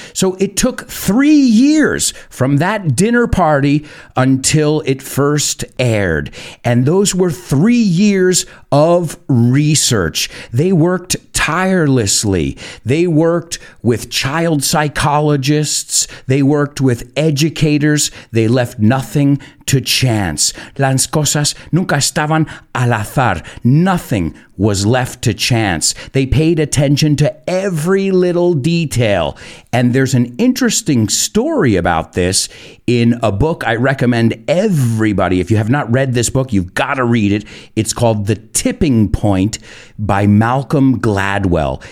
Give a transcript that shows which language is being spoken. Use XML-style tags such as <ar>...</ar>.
<en>So it took 3 years from that dinner party until it first aired. And those were 3 years of research. They worked tirelessly. They worked with child psychologists. They worked with educators. They left nothing to chance.</en> <es>Las cosas nunca estaban al azar.</es> <en>Nothing was left to chance. They paid attention to every little detail. And there's an interesting story about this in a book I recommend everybody. If you have not read this book, you've got to read it. It's called The Tipping Point by Malcolm Gladwell.</en>